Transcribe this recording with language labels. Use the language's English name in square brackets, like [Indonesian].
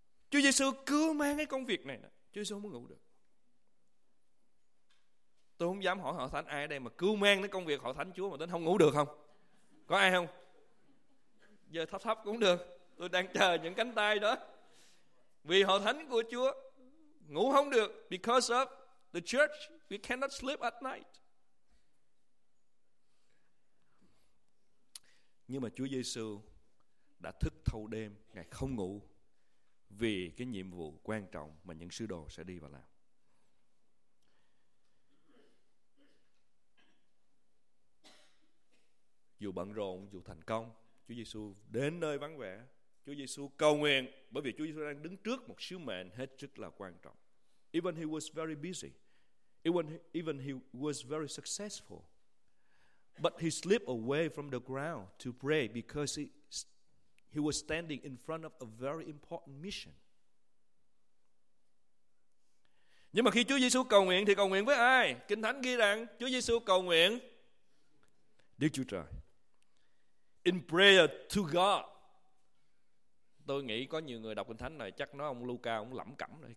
[Vietnamese] Chúa Giêsu cưu mang cái công việc này đó, Chúa Giêsu mới ngủ được. Tôi không dám hỏi hội thánh ai ở đây mà cứu mang cái công việc hội thánh Chúa mà đến không ngủ được không? Có ai không? Giờ thấp thấp cũng được. Tôi đang chờ những cánh tay đó. Vì hội thánh của Chúa ngủ không được. [English] Because of the church, we cannot sleep at night. [Vietnamese] Nhưng mà Chúa Giêsu đã thức thâu đêm, Ngài không ngủ vì cái nhiệm vụ quan trọng mà những sứ đồ sẽ đi và làm. Dù bận rộn, dù thành công, Chúa Giêsu đến nơi vắng vẻ, Chúa Giêsu cầu nguyện, bởi vì Chúa Giêsu đang đứng trước một sứ mệnh hết sức là quan trọng. [English] Even he was very busy, even he was very successful, but he slipped away from the ground to pray because he was standing in front of a very important mission. [Vietnamese] Nhưng mà khi Chúa Giêsu cầu nguyện thì cầu nguyện với ai? Kinh Thánh ghi rằng Chúa Giêsu cầu nguyện Đức Chúa Trời. [English] In prayer to God. [Vietnamese] Tôi nghĩ có nhiều người đọc Kinh Thánh này chắc nói ông Luca cũng lẩm cẩm rồi.